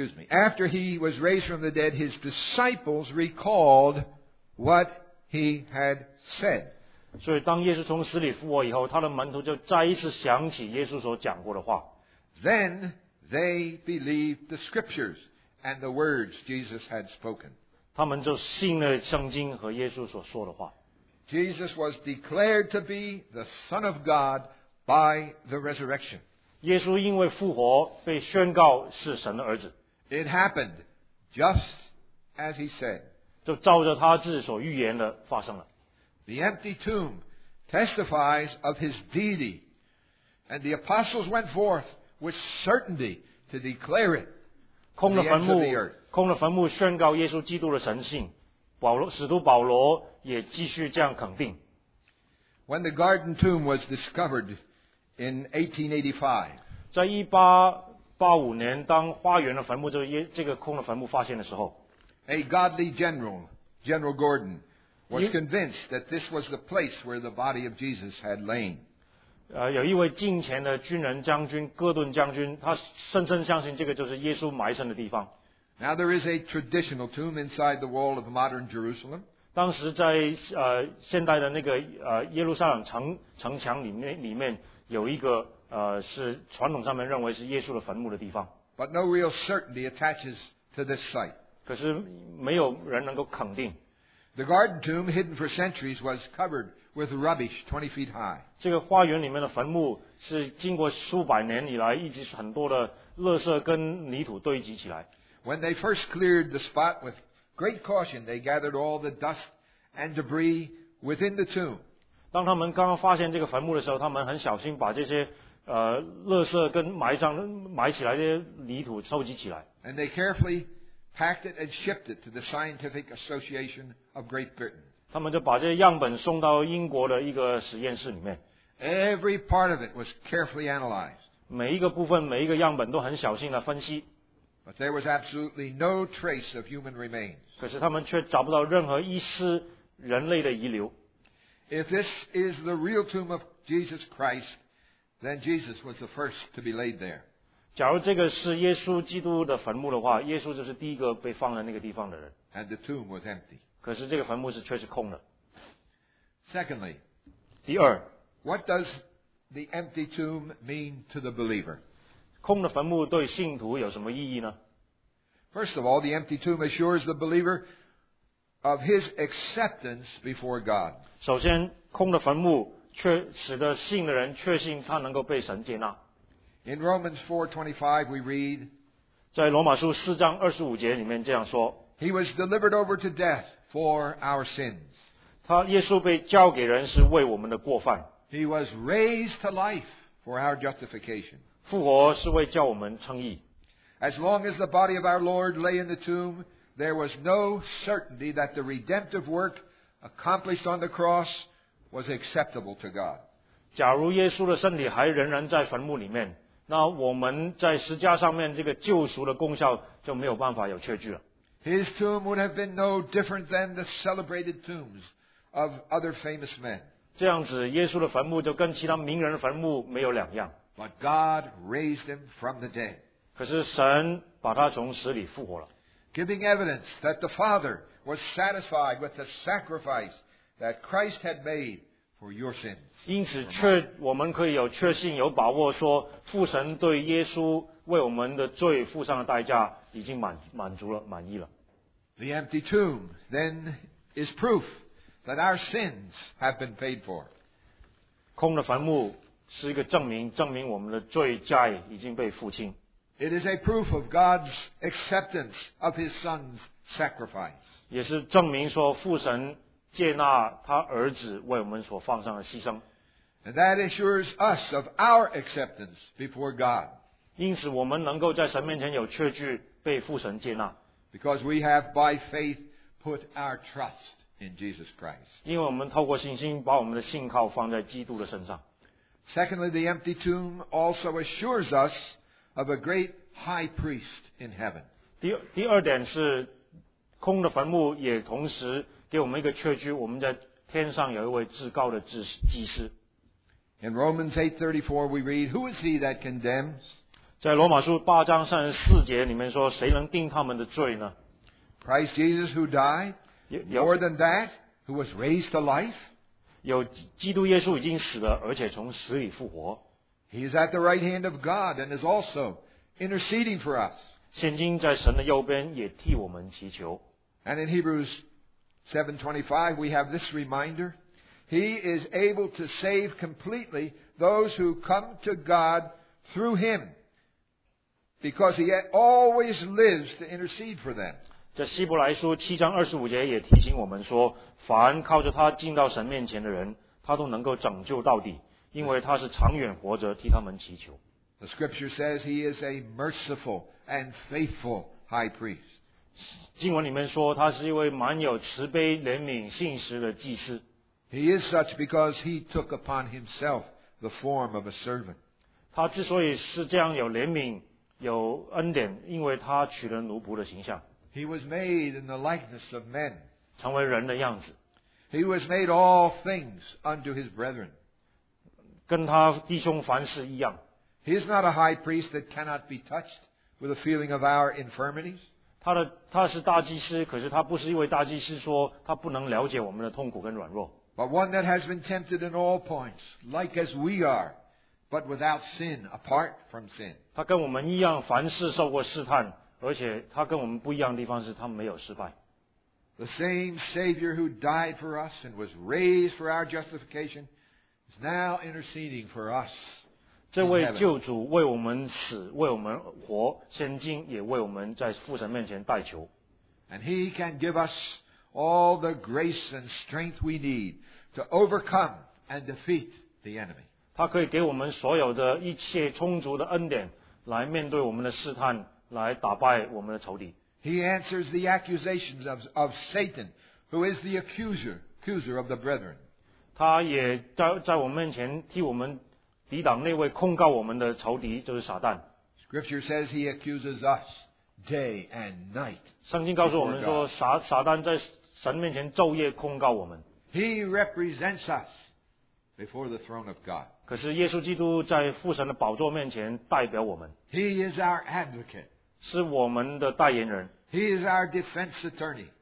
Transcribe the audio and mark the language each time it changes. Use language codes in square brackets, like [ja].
[en] After he was raised from the dead, his disciples recalled what he had said. [zh] 所以当耶稣从死里复活以后，他的门徒就再一次想起耶稣所讲过的话。 [en] Then they believed the scriptures and the words Jesus had spoken. [zh] 他们就信了圣经和耶稣所说的话。 [en] Jesus was declared to be the Son of God by the resurrection. [zh] 耶稣因为复活被宣告是神的儿子。 [en] It happened just as he said. [zh] 就照着他自己所预言的发生了。 [en] The empty tomb testifies of his deity, and the apostles went forth with certainty to declare it to the ends of the earth. [zh] 空了坟墓宣告耶稣基督的神性，使徒保罗也继续这样肯定。 [en] When the garden tomb was discovered in 1885, [zh] 在1885年，当花园的坟墓，这个空的坟墓发现的时候 [en] ，A godly general, General Gordon, was convinced that this was the place where the body of Jesus had lain. [zh] 有一位敬虔的军人将军戈顿将军，他深深相信这个就是耶稣埋身的地方。 [en] Now there is a traditional tomb inside the wall of modern Jerusalem. [zh] 当时在现代的那个耶路撒冷城墙里面有一个是传统上面认为是耶稣的坟墓的地方。 [en] But no real certainty attaches to this site. [zh] 可是没有人能够肯定。 [en] The garden tomb, hidden for centuries, was covered with rubbish 20 feet high. [zh] 这个花园里面的坟墓是经过数百年以来一直很多的垃圾跟泥土堆积起来。 [en] When they first cleared the spot with great caution, they gathered all the dust and debris within the tomb. [zh] 当他们刚刚发现这个坟墓的时候，他们很小心把这些垃圾跟埋起来这些泥土收集起来。 [en] And they carefully packed it and shipped it to the Scientific Association of Great Britain. [zh] 他们就把这些样本送到英国的一个实验室里面。 [en] Every part of it was carefully analyzed. [zh] 每一个部分，每一个样本都很小心的分析。 [en] But there was absolutely no trace of human remains. [zh] 可是他们却找不到任何一丝人类的遗留。 [en] If this is the real tomb of Jesus Christ, then Jesus was the first to be laid there. [zh] 假如这个是耶稣基督的坟墓的话，耶稣就是第一个被放在那个地方的人。 [en] And the tomb was empty. [zh] 可是这个坟墓是确实空的。 [en] Secondly, [zh] 第二 [en] ，What does the empty tomb mean to the believer? [zh] 空的坟墓对信徒有什么意义呢 [en] ？First of all, the empty tomb assures the believer of his acceptance before God. [zh] 首先，空的坟墓却使得信的人确信他能够被神接纳。 [en] In Romans 4:25, we read, [zh] 在罗马书四章二十五节里面这样说 [en] ，He was delivered over to death for our sins. [zh] 他耶稣被交给人是为我们的过犯。 [en] He was raised to life for our justification. [zh] 复活是为叫我们称义。 [en] As long as the body of our Lord lay in the tomb, there was no certainty that the redemptive work accomplished on the cross was acceptable to God. [zh] 假如耶稣的身体还仍然在坟墓里面。那我们在十架上面这个救赎的功效就没有办法有确据了。 [en] His tomb would have been no different than the celebrated tombs of other famous men. [zh] 这样子耶稣的坟墓就跟其他名人的坟墓没有两样。 [en] But God raised him from the dead. [zh] 可是神把他从死里复活了。 [en] Giving evidence that the Father was satisfied with the sacrifice that Christ had made for your sins. [zh] 因此确我们可以有确信有把握说父神对耶稣为我们的罪付上的代价已经 满足了满意了。 [en] The empty tomb then is proof that our sins have been paid for. [zh] 空的坟墓是一个证明证明我们的罪债已经被付清。 [en] It is a proof of God's acceptance of his son's sacrifice. [zh] 也是证明说父神接纳他儿子为我们所放上的牺牲。 [en] And that assures us of our acceptance before God. [zh] 因此我们能够在神面前有确据被父神接纳。 [en] Because we have by faith put our trust in Jesus Christ. [zh] 因为我们透过信心把我们的信靠放在基督的身上。 [en] Secondly, the empty tomb also assures us of a great high priest in heaven. [zh] 第二点是空的坟墓也同时给我们一个确据，我们在天上有一位至高的祭司。 [en] In Romans 8:34, we read, "Who is he that condemns?" [zh] 在罗马书八章三十四节里面说，谁能定他们的罪呢 [en] ？Christ Jesus, who died, more than that, who was raised to life. [zh] 有基督耶稣已经死了，而且从死里复活。 [en] He is at the right hand of God and is also interceding for us. [zh] 现今在神的右边，也替我们祈求。 [en] And in Hebrews 7:25, we have this reminder. He is able to save completely those who come to God through Him because He always lives to intercede for them. [zh] 在希伯来书七章二十五节也提醒我们说，凡靠着他进到神面前的人，他都能够拯救到底，因为他是长远活着替他们祈求。 [en] The scripture says He is a merciful and faithful high priest. [zh] 经文里面说他是一位满有慈悲怜悯信实的祭司。 [en] He is such because he took upon himself the form of a servant. [zh] 他之所以是这样有怜悯有恩典，因为他取了奴仆的形象。 [en] He was made in the likeness of men. [zh] 成为人的样子。 [en] He was made all things unto his brethren. [zh] 跟他弟兄凡事一样。 [en] He is not a high priest that cannot be touched with the feeling of our infirmities. [zh] 他是大祭司，可是他不是一位大祭司说他不能了解我们的痛苦跟软弱。 [en] But one that has been tempted in all points, like as we are, but without sin, apart from sin. [zh] 他跟我们一样，凡事受过试探，而且他跟我们不一样的地方是他没有失败。 [en] The same Savior who died for us and was raised for our justification is now interceding for us. [zh] 这位救主为我们死，为我们活，现今也为我们在父神面前代求。 [en] And He can give us all the grace and strength we need to overcome and defeat the enemy. [zh] 他可以给我们所有的一切充足的恩典，来面对我们的试探，来打败我们的仇敌。 [en] He answers the accusations of Satan, who is the accuser of the brethren. [zh] 他也在我们面前替我们抵挡那位控告我们的仇敌，就是撒旦。 [en] Scripture says he accuses us day and night. [zh] 圣经告诉我们说，撒旦在神面前昼夜控告我们。 [en] He represents us before the throne of God. [zh] 可是耶稣基督在父神的宝座面前代表我们。 [en] He is our advocate. [zh] 是我们的代言人。 [en] He is our defense attorney.